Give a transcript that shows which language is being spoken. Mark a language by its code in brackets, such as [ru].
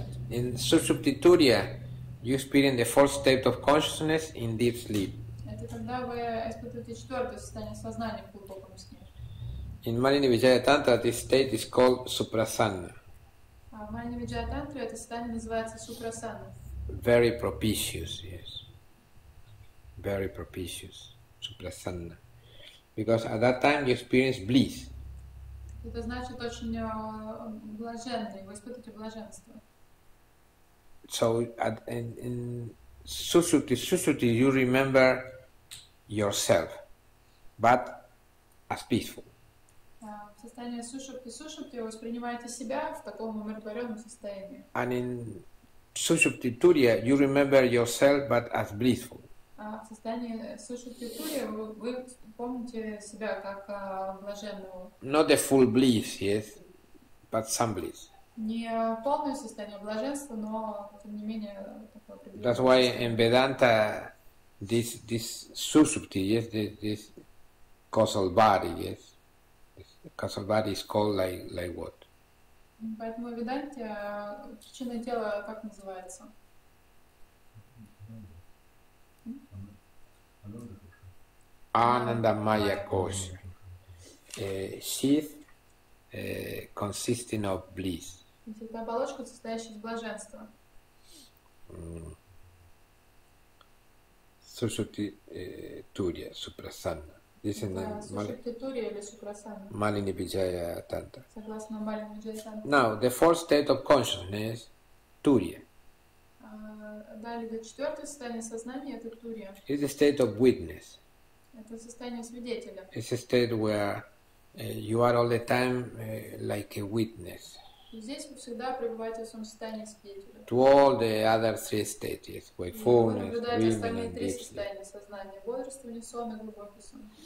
[en] In Sushupti Turiya, you experience the fourth state of consciousness in deep sleep. [ru] Когда вы испытываете четвертое состояние сознания в глубоком сне. [en] In Malini Vijaya Tantra this state is called Suprasanna. [ru] А в Malini Vijaya Tantra это состояние называется Suprasanna. [en] Very propitious, yes. Very propitious, Suprasanna. Because at that time you experience bliss. [ru] Это значит очень блаженный, вы испытываете блаженство. [en] So in Sushruti, you remember yourself, but as peaceful. [ru] В состоянии сушупти вы воспринимаете себя в таком умиротворенном состоянии. [en] And in сушупти турья you remember yourself, but as blissful. [ru] В состоянии сушупти турья вы помните себя как блаженного. [en] Not the full bliss, yes, but some bliss. [ru] Не полное состояние блаженства, но тем не менее такое приближение. [en] That's why in Vedanta this sushupti, yes, this causal body, yes. Causal body is called like what? [ru] Поэтому Веданте причинное тело как называется? [en] Анандамайя коша. Sheath consisting of bliss. [ru] Это оболочка, состоящая из блаженства. Сушутитурия, супрасанна. Малини Виджая Танта. Согласно Малини Виджая Танта. [en] Now, the fourth state of consciousness, Турия. [ru] Далее, четвертое состояние сознания, это Турия. [en] It's a state of witness. [ru] Это состояние свидетеля. [en] It's a state where you are all the time like a witness. [ru] Здесь вы всегда пребываете в своем состоянии свидетеля. [en] To all the other three states, yes, wakefulness, dreaming, [ru] остальные три состояния сознания, бодрствование, сон и глубокий сон.